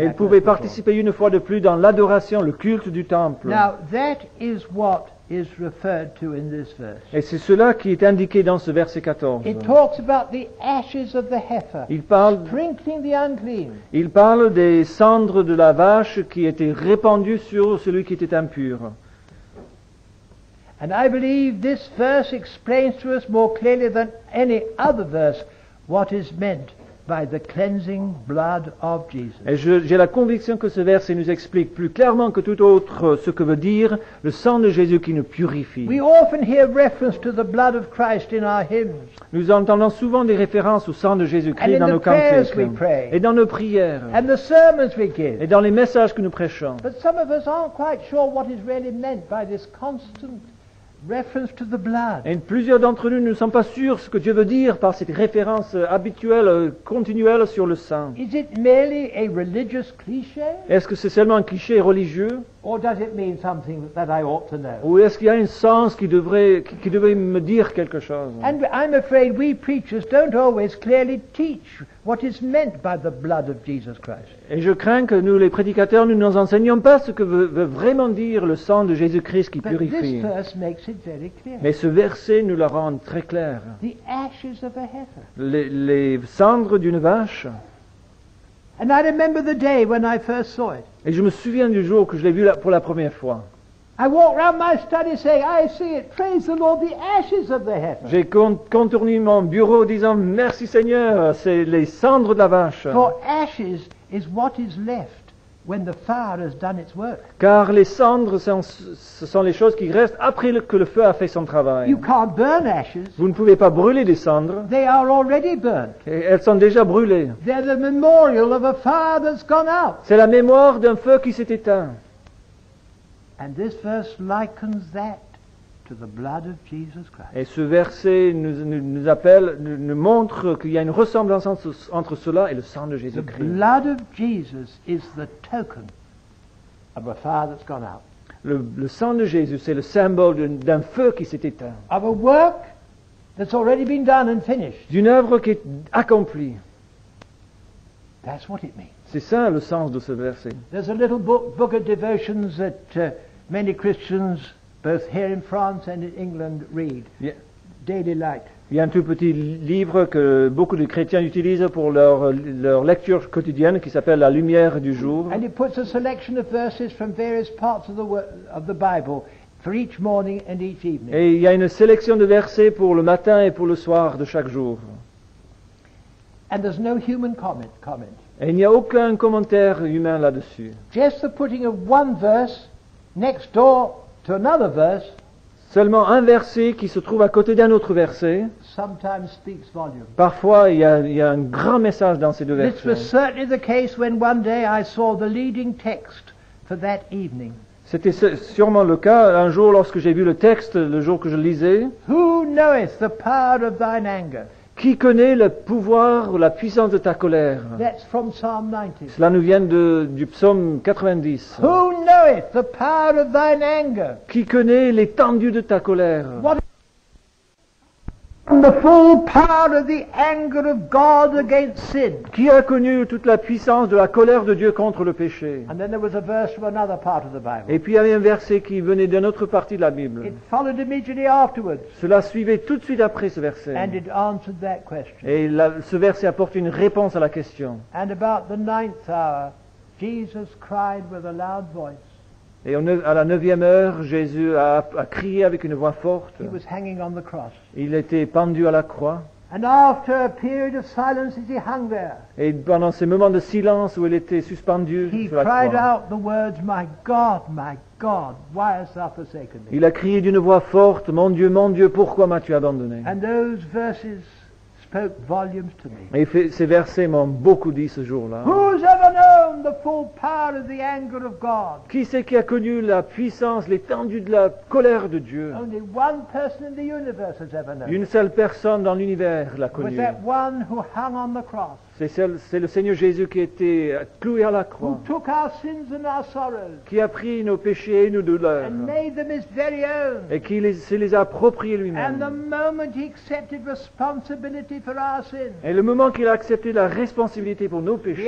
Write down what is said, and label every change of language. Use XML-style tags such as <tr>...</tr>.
<fr>Et il pouvait participer une fois de plus dans l'adoration, le culte du temple.</fr> <en>Now that is what is referred to in this verse.</en> <fr>Et c'est cela qui est indiqué dans ce verset 14.</fr> <en>It talks about the ashes of the heifer. Sprinkling the unclean.</en> <fr>Il parle des cendres de la vache qui étaient répandues sur celui qui était impur.</fr> <en>And I believe this verse explains to us more clearly than any other verse what is meant by the cleansing blood of Jesus.</en> <fr>Et j'ai la conviction que ce verset nous explique plus clairement que tout autre ce que veut dire le sang de Jésus qui nous purifie.</fr> <en>We often hear reference to the blood of Christ in our hymns.</en> <fr>Nous entendons souvent des références au sang de Jésus-Christ dans nos cantiques et dans nos prières</fr> <en>and the sermons we give.</en> <fr>Et dans les messages que nous prêchons.</fr> <en>But some of us aren't quite sure what is really meant by this constant reference to the blood.</en> <fr>Et plusieurs d'entre nous ne sont pas sûrs ce que Dieu veut dire par cette référence habituelle, continuelle sur le sang.</fr> <en>Is it merely a religious cliché?</en> <fr>Est-ce que c'est seulement un cliché religieux?</fr> <en>Or does it mean something that I ought to know?</en> <fr>Ou est-ce qu'il y a un sens qui devrait me dire quelque chose?</fr> <en>And I'm afraid we preachers don't always clearly teach what is meant by the blood of Jesus Christ.</en> <fr>Et je crains que nous les prédicateurs nous n'enseignions pas ce que veut vraiment dire le sang de Jésus-Christ qui purifie.</fr> <en>But this verse makes it very clear.</en> <fr>Mais ce verset nous le rend très clair.</fr> <en>The ashes of a heifer.</en> <fr>Les cendres d'une vache.</fr> <en>And I remember the day when I first saw it.</en> <fr>Et je me souviens du jour que je l'ai vu pour la première fois.</fr> <en>I walked around my study saying, I see it. Praise the Lord, the ashes of the heifer.</en> <fr>J'ai contourné mon bureau disant, merci Seigneur, c'est les cendres de la vache.</fr> <en>For ashes is what is left when the fire has done its work.</en> <fr>Car les cendres ce sont les choses qui restent après que le feu a fait son travail.</fr> <en>You can't burn ashes.</en> <fr>Vous ne pouvez pas brûler des cendres.</fr> <en>They are already burnt.</en> <fr>Et elles sont déjà brûlées.</fr> <en>They're the memorial of a fire that's gone out.</en> <fr>C'est la mémoire d'un feu qui s'est éteint.</fr> <en>And this verse likens that to the blood of Jesus Christ.</en> <fr>Et ce verset nous montre qu'il y a une ressemblance entre cela et le sang de Jésus-Christ.</fr> <en>The blood of Jesus is the token of a fire that's gone out.</en> <fr>Le sang de Jésus, c'est le symbole d'un feu qui s'est éteint.</fr> <en>Of a work that's already been done and finished.</en> <fr>D'une œuvre qui est accomplie.</fr> <en>That's what it means.</en> <fr>C'est ça le sens de ce verset.</fr> <en>There's a little book of devotions that many Christians, both here in France and in England, read. Yeah. Daily Light.</en> <fr>Il y a un tout petit livre que beaucoup de chrétiens utilisent pour leur lecture quotidienne qui s'appelle La Lumière du Jour.</fr> <en>And it puts a selection of verses from various parts of the Bible for each morning and each evening.</en> <fr>Et il y a une sélection de versets pour le matin et pour le soir de chaque jour.</fr> <en>And there's no human comment.</en> <fr>Et il n'y a aucun commentaire humain là-dessus.</fr> <en>Just the putting of one verse next door to another verse.</en> <fr>Seulement un verset qui se trouve à côté d'un autre verset.</fr> <en>Sometimes speaks volume.</en> <fr>Parfois, il y a un grand message dans ces deux versets.</fr> <en>This was certainly the case when one day I saw the leading text for that evening.</en> <fr>C'était sûrement le cas un jour lorsque j'ai vu le texte le jour que je lisais.</fr> <en>Who knoweth the power of thine anger?</en> <fr>Qui connaît le pouvoir ou la puissance de ta colère?</fr> <en>That's from Psalm 90.</en> <fr>Cela nous vient du psaume 90.</fr> <en>Who knoweth the power of thine anger?</en> <fr>Qui connaît l'étendue de ta colère?</fr> <en>What the full power of the anger of God against sin?</en> <fr>Qui a connu toute la puissance de la colère de Dieu contre le péché?</fr> <en>And then there was a verse from another part of the Bible.</en> <fr>Et puis il y avait un verset qui venait d'une autre partie de la Bible.</fr> <en>It followed immediately afterwards.</en> <fr>Cela suivait tout de suite après ce verset.</fr> <en>And it answered that question.</en> <fr>Et ce verset apporte une réponse à la question.</fr> <en>And about the ninth hour, Jesus cried with a loud voice.</en> <fr>Et à la neuvième heure, Jésus a crié avec une voix forte.</fr> <en>He was hanging on the cross.</en> <fr>Il était pendu à la croix.</fr> <en>And after a period of silence, he hung there.</en> <fr>Et pendant ces moments de silence où il était suspendu sur la croix,</fr> <en>he cried out the words, my God, why hast thou forsaken me?</en> <fr>Il a crié d'une voix forte, mon Dieu, pourquoi m'as-tu abandonné?</fr> <en>And those verses spoke volumes to me.</en> <fr>Et ces versets m'ont beaucoup dit ce jour-là.</fr> <en>Who's ever known the full power of the anger of God?</en> <fr>Qui c'est qui a connu la puissance, l'étendue de la colère de Dieu?</fr> <en>Only one person in the universe has ever known.</en> <fr>Une seule personne dans l'univers l'a connu.</fr> <en>Was that one who hung on the cross?</en> <fr>C'est le Seigneur Jésus qui était cloué à la croix.</fr> <en>Who took our sins and our sorrows?</en> <fr>Qui a pris nos péchés et nos douleurs?</fr> <en>And made them his very own.</en> <fr>Et qui les a appropriés lui-même?</fr> <en>And the moment he accepted responsibility.</en> <fr>Et le moment qu'il a accepté la responsabilité pour nos péchés,</fr>